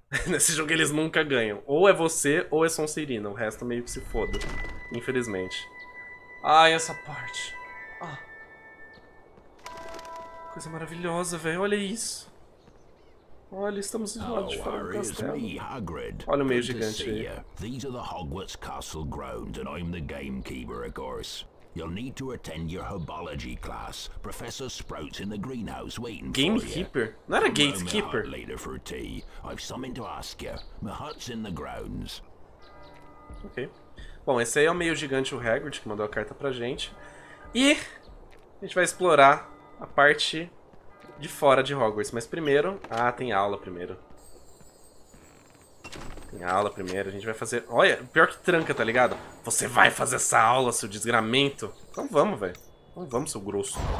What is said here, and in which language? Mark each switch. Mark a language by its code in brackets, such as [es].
[pt] Nesse jogo eles nunca ganham. Ou é você, ou é Sonserina. O resto meio que se foda, infelizmente. Ai, essa parte. Ah. Coisa maravilhosa, velho. Olha isso. Olha, estamos do lado de fora do castelo. Olha o meio gigante aí. [en] These are the Hogwarts Castle grounds, and I'm the gamekeeper, of course. You'll need to attend your herbology class. Professor Sprout's in the greenhouse waiting for you. Gamekeeper? Not a gatekeeper. Later for tea. I've something to ask you. My hut's in the grounds. Ok. [pt] Bom, esse aí é o meio gigante, o Hagrid, que mandou a carta pra gente. E a gente vai explorar a parte de fora de Hogwarts. Mas primeiro... Ah, tem aula primeiro. Tem aula primeiro. A gente vai fazer... Olha, pior que tranca, tá ligado? Você vai fazer essa aula, seu desgramento. Então vamos, velho. Então vamos, seu grosso.